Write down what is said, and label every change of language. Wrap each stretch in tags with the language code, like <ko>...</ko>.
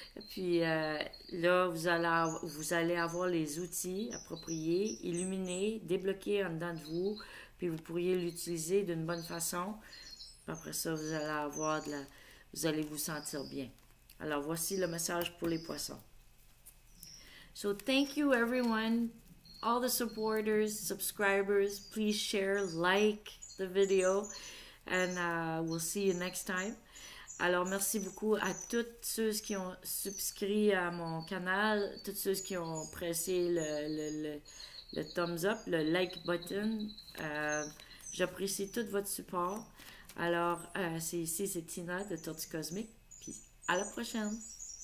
<fr>Puis là, vous allez avoir les outils appropriés, illuminés, débloqués en dedans de vous, puis vous pourriez l'utiliser d'une bonne façon. Puis après ça, vous allez vous sentir bien. Alors voici le message pour les poissons.</fr> <en>So thank you everyone, all the supporters, subscribers, please share, like the video, and we'll see you next time.</en> <fr>Alors merci beaucoup à toutes ceux qui ont subscrit à mon canal, toutes ceux qui ont pressé le thumbs up, le like button. J'apprécie tout votre support. Alors, c'est Tina de Tortue Cosmique. Puis à la prochaine!</fr>